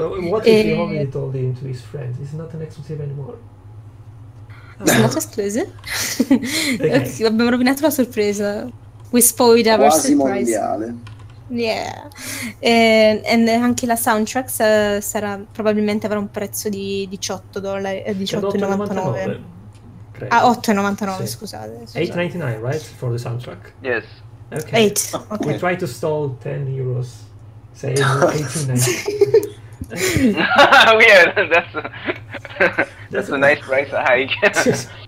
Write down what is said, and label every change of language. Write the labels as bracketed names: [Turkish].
[English] What if he told him to his friends? It's not an exclusive anymore. [Italian] Sono sorprese. Okay. Okay, abbiamo rovinato la sorpresa. [English] We spoiled our [Italian] quasi [English] surprise. [Italian] Mondiale. [English] Yeah. [Italian] And anche la soundtrack sarà probabilmente avrà un prezzo di $18 $18.99 $8.99 sì. Scusate. [English] $8.99 right for the soundtrack. Yes. Okay. Eight. Okay. We try to stall 10 euros. Say $18.99 Yeah, that's a nice price hike.